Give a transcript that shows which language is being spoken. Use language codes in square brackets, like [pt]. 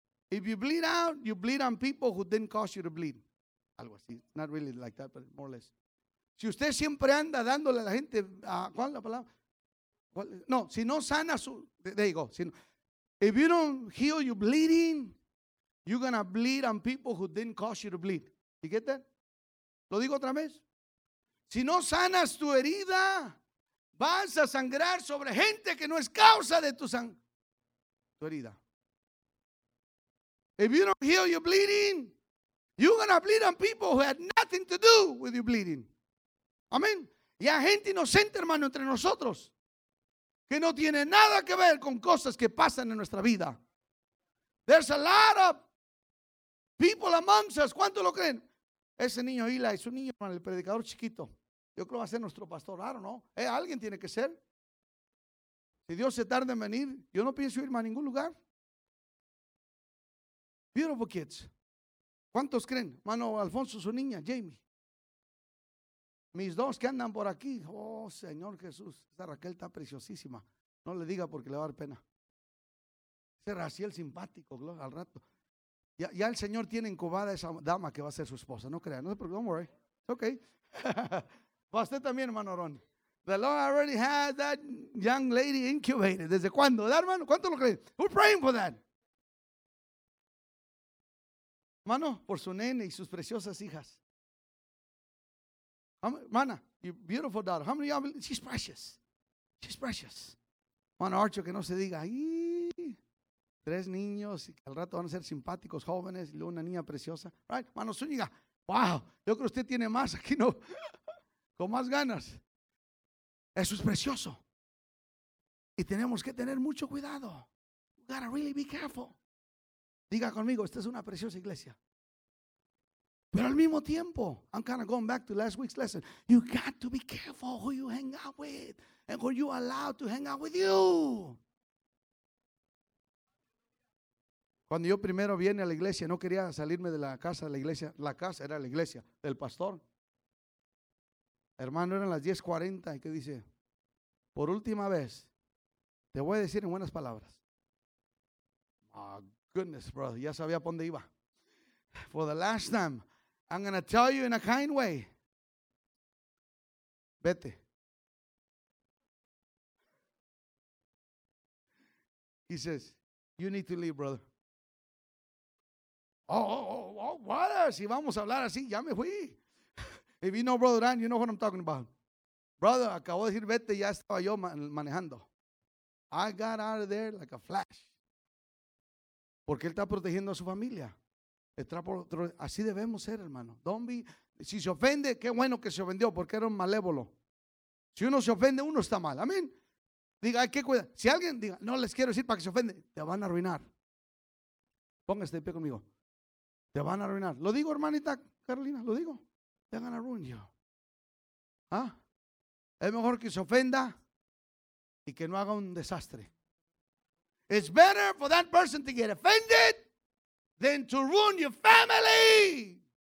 [en] If you bleed out, you bleed on people who didn't cause you to bleed. [es] Algo así. [en] Not really like that, but more or less. [es] Si usted siempre anda dándole a la gente, ¿cuál es la palabra? No, si no sana su, [en] there you go. If you don't heal your bleeding, you're going to bleed on people who didn't cause you to bleed. You get that? [es] ¿Lo digo otra vez? Si no sanas tu herida, vas a sangrar sobre gente que no es causa de tu herida. [en] If you don't heal your bleeding, you're going to bleed on people who had nothing to do with your bleeding. [es] Amén. Y hay gente inocente, hermano, entre nosotros, que no tiene nada que ver con cosas que pasan en nuestra vida. [en] There's a lot of people amongst us. [es] ¿Cuánto lo creen? Ese niño Ila es un niño, hermano, el predicador chiquito. Yo creo que va a ser nuestro pastor. Claro, ¿no? Alguien tiene que ser. Si Dios se tarda en venir, yo no pienso irme a ningún lugar. [en] Beautiful kids. [es] ¿Cuántos creen? Mano Alfonso, su niña, Jamie. Mis dos que andan por aquí. Oh, Señor Jesús. Esta Raquel está preciosísima. No le diga porque le va a dar pena. Ese Raciel simpático, gloria, al rato. Ya el Señor tiene incubada esa dama que va a ser su esposa. No crean. No se preocupen. [en] Don't worry. It's okay. [es] Usted también, hermano Ron. [en] The Lord already has that young lady incubated. [es] ¿Desde cuándo? ¿Verdad, hermano? ¿Cuánto lo creen? [en] Who's praying for that? [es] Hermano, por su nene y sus preciosas hijas. [en] Hermana, your beautiful daughter. How many of y'all? She's precious. She's precious. [es] Hermano Archo, que no se diga. Ahí, tres niños y al rato van a ser simpáticos, jóvenes. Y luego una niña preciosa. Right? Hermano Zúñiga. Wow. Yo creo que usted tiene más aquí, ¿no? Con más ganas. Eso es precioso. Y tenemos que tener mucho cuidado. [en] You gotta really be careful. [es] Diga conmigo, esta es una preciosa iglesia. Pero al mismo tiempo, [en] I'm kind of going back to last week's lesson. You got to be careful who you hang out with and who you allow to hang out with you. [es] Cuando yo primero vine a la iglesia, no quería salirme de la casa de la iglesia. La casa era la iglesia del pastor. Hermano, eran las 10:40 y que dice, por última vez, te voy a decir en buenas palabras. [en] Oh, goodness, brother, [es] ya sabía por dónde iba. [en] For the last time, I'm going to tell you in a kind way. [es] Vete. [en] He says, you need to leave, brother. Oh, what? [es] Si vamos a hablar así, ya me fui. [en] If you know Brother Dan, you know what I'm talking about. [es] Brother, acabo de decir, vete, ya estaba yo manejando. [en] I got out of there like a flash. [es] Porque él está protegiendo a su familia. Así debemos ser, hermano. [en] Don't be, [es] si se ofende, qué bueno que se ofendió, porque era un malévolo. Si uno se ofende, uno está mal. Amén. Diga, hay que cuidar. Si alguien diga, no les quiero decir para que se ofende, te van a arruinar. Póngase de pie conmigo. Te van a arruinar. Lo digo, hermanita Carolina, lo digo. [en] They're going to ruin you. [es] ¿Ah? Es mejor que se ofenda y que no haga un desastre. [en] It's better for that person to get offended than to ruin your family.